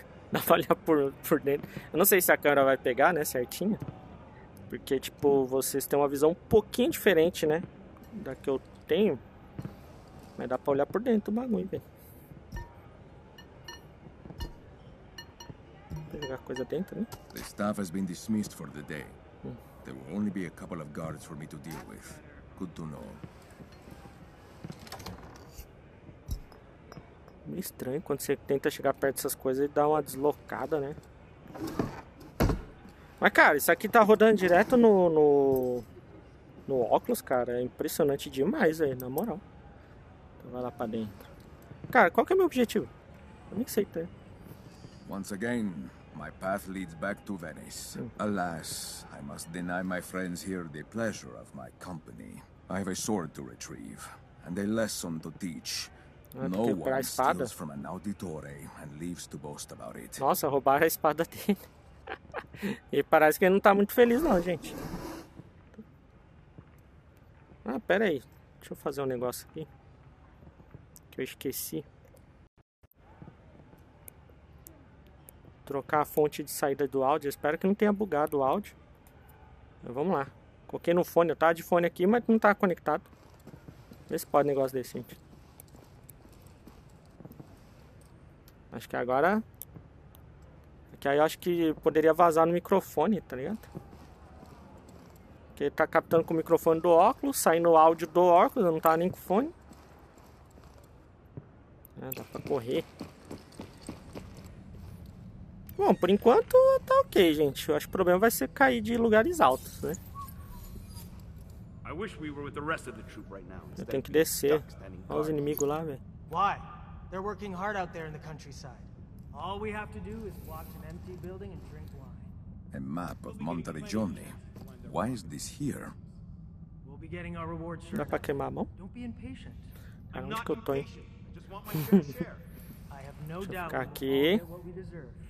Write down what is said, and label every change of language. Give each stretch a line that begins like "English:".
Portuguese: Dá pra olhar por dentro. Eu não sei se a câmera vai pegar, né, certinho. Porque, tipo, vocês têm uma visão um pouquinho diferente, né? Da que eu tenho. Mas dá pra olhar por dentro o bagulho, velho. Vou pegar coisa dentro, né?
English: The staff has been dismissed for the day. There will only be a couple of guards for me to deal with. Good to know.
Portuguese: Meio estranho quando você tenta chegar perto dessas coisas e dá uma deslocada, né? Mas, cara, isso aqui tá rodando direto no óculos, cara. É impressionante demais aí, na moral. Então vai lá pra dentro. Cara, qual que é o meu objetivo? Eu nem sei, tá?
English: Once again, my path leads back to Venice. Alas, I must deny my friends here the pleasure of my company. I have a sword to retrieve and a lesson to teach. No one steals from an auditore and leaves to boast about it.
Portuguese: Nossa, roubaram a espada dele. E parece que ele não tá muito feliz não, gente. Ah, pera aí. Deixa eu fazer um negócio aqui. Que eu esqueci. Trocar a fonte de saída do áudio. Espero que não tenha bugado o áudio. Então, vamos lá. Coloquei no fone. Eu tava de fone aqui, mas não tava conectado. Vê se pode um negócio desse, gente. Acho que agora... Que aí eu acho que poderia vazar no microfone, tá ligado? Porque ele tá captando com o microfone do óculos, saindo o áudio do óculos, não tá nem com o fone. É, dá pra correr. Bom, por enquanto tá ok, gente. Eu acho que o problema vai ser cair de lugares altos, né? Eu tenho que descer. Olha os inimigos lá, velho. Por que? Eles estão trabalhando.
English: All we have to do is watch an empty building and drink wine. A map of Monteregione. Why is this here? We'll be getting our reward soon.
Portuguese: Dá pra queimar a mão?
English: Don't be impatient. I'm not impatient. I just want my share. I have no doubt that we'll get what we deserve.